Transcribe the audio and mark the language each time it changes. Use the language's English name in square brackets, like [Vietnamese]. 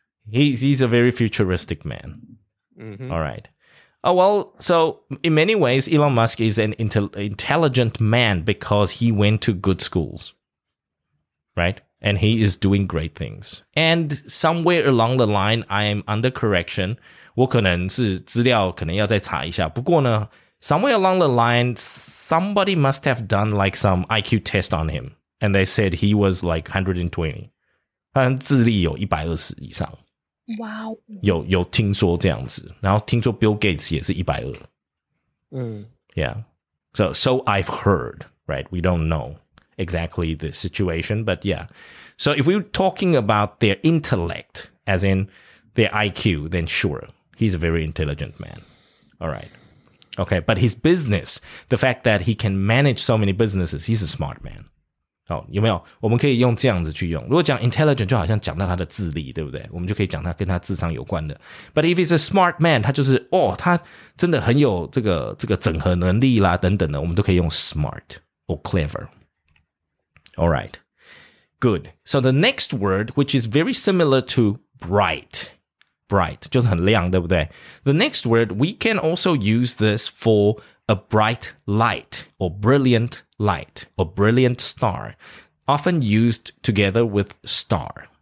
[English] He's a very futuristic man. Mm-hmm. All right. Oh, well, so in many ways, Elon Musk is an intelligent man because he went to good schools, right? And he is doing great things. And somewhere along the line, I am under correction. [Chinese] 我可能是资料可能要再查一下。不过呢, [English] somewhere along the line,Somebody must have done like some IQ test on him. And they said he was like 120. [Chinese] 他智力有120以上。 [English] Wow. [Chinese] 有听说这样子。然后听说 Bill Gates 也是120。嗯。 [English] Yeah. So I've heard, right? We don't know exactly the situation, but yeah. So if we're talking about their intellect, as in their IQ, then sure, he's a very intelligent man. All right. Okay, but his business, the fact that he can manage so many businesses, he's a smart man. [Chinese] 哦，有没有？我们可以用这样子去用。如果讲 intelligent， 就好像讲到他的智力，对不对？我们就可以讲他跟他智商有关的。 [English] But if he's a smart man， [Chinese] 他就是哦，他真的很有这个整合能力啦，等等的，我们都可以用 smart or clever。 [English] All right, good. So the next word, which is very similar to bright, [Chinese] 就是很亮，对不对？ [English] The next word we can also use this for a bright light or brilliant. Light or brilliant star, often used together with star.